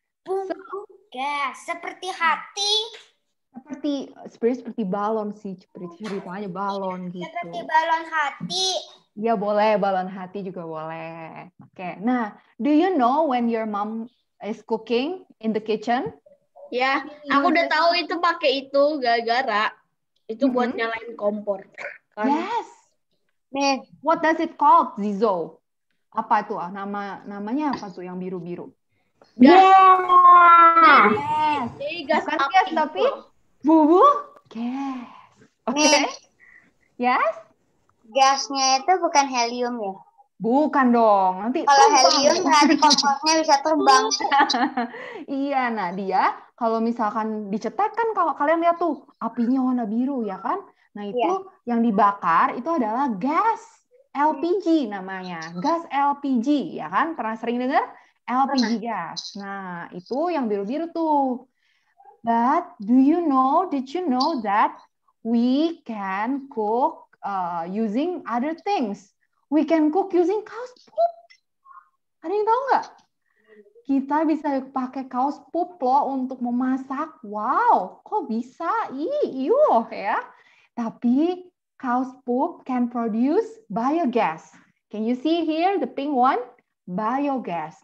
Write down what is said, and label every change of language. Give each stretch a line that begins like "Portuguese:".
Indonesian: Boom boom gas. Seperti hati. Seperti sebenarnya seperti balon sih, ceritanya balon gitu. Seperti balon hati. Ya boleh, balon hati juga boleh. Oke, okay.
English: Nah, do you know when your mom is cooking in the kitchen?
Indonesian: Ya, aku udah tahu itu pakai itu gara-gara itu buat nyalain kompor. Kan?
English: Yes. Man, what does it called, Zizo?
Indonesian: Apa itu ah? Namanya apa tuh yang biru-biru? Gas. Yes. Gas. Bukan gas tapi bubu gas. Oke. Okay. Yes. Gasnya itu bukan helium ya? Bukan dong. Nanti kalau helium nanti kompornya bisa terbang. Iya, nah dia kalau misalkan dicetak kan kalau kalian lihat tuh apinya warna biru ya kan? Nah, itu yang dibakar itu adalah gas LPG namanya. Gas LPG ya kan? Pernah sering dengar? LPG gas. Nah, itu yang biru-biru tuh.
English: But do you know, did you know that we can cook using other things? We can cook using cow's poop.
Indonesian: Ada yang tahu nggak? Kita bisa pakai
English: cow's poop
Indonesian: loh untuk memasak. Wow, kok bisa? Iyuh ya. Tapi
English: cow's poop can produce biogas. Can you see here the pink one? Biogas.